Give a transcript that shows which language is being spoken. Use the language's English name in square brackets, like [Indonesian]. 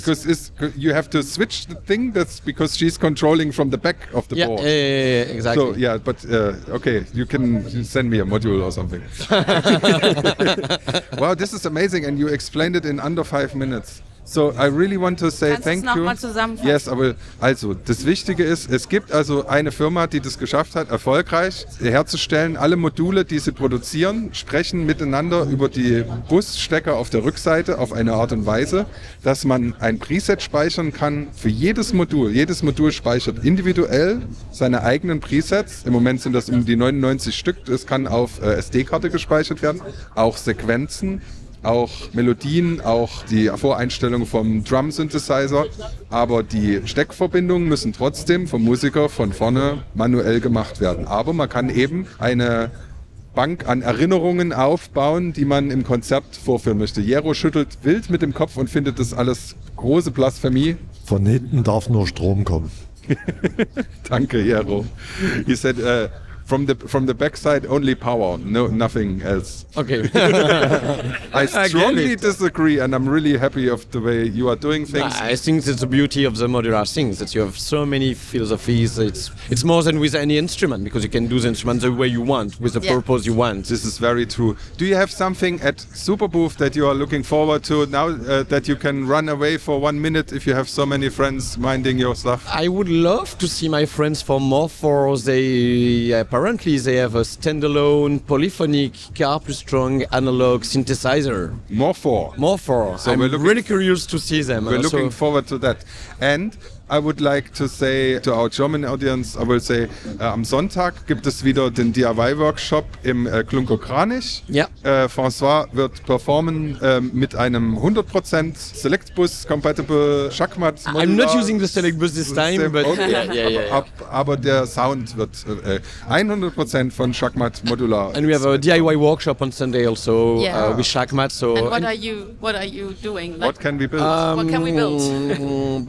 [English] Because you have to switch the thing, that's because she's controlling from the back of the board. Yeah, exactly. So, okay, you can send me a module or something. Wow, this is amazing, and you explained it in under 5 minutes. So, I really want to say [German] Kannst [English] thank you. [German] Kannst du es nochmal zusammenfassen? [English] Yes, I will. [German] Also, das Wichtige ist, es gibt also eine Firma, die das geschafft hat, erfolgreich herzustellen. Alle Module, die sie produzieren, sprechen miteinander über die Busstecker auf der Rückseite auf eine Art und Weise, dass man ein Preset speichern kann für jedes Modul. Jedes Modul speichert individuell seine eigenen Presets. Im Moment sind das um die 99 Stück. Das kann auf SD-Karte gespeichert werden, auch Sequenzen. Auch Melodien, auch die Voreinstellung vom Drum-Synthesizer. Aber die Steckverbindungen müssen trotzdem vom Musiker von vorne manuell gemacht werden. Aber man kann eben eine Bank an Erinnerungen aufbauen, die man im Konzert vorführen möchte. Jero schüttelt wild mit dem Kopf und findet das alles große Blasphemie. Von hinten darf nur Strom kommen. Danke, Jero. [English] He said, From the backside, only power, no nothing else. Okay. I strongly disagree, and I'm really happy of the way you are doing things. I think it's the beauty of the modular things, that you have so many philosophies. It's more than with any instrument, because you can do the instrument the way you want, with the purpose you want. This is very true. Do you have something at Superbooth that you are looking forward to now, that you can run away for 1 minute if you have so many friends minding your stuff? I would love to see my friends for more, for apparently, they have a standalone polyphonic Carpestrong analog synthesizer. Morphor. So I'm really curious to see them. We're looking forward to that. And I would like to say to our German audience, I will say, [German] am Sonntag gibt es wieder den DIY-Workshop im Klunkerkranich. François wird performen mit einem 100% Selectbus-compatible Schackmatt. [English] I'm not using the Selectbus this time, but okay. [German] Aber der Sound wird 100% von Schackmatt modular. [English] And we have a DIY-Workshop on Sunday also with Schackmatt. So what are you doing? Like, what can we build?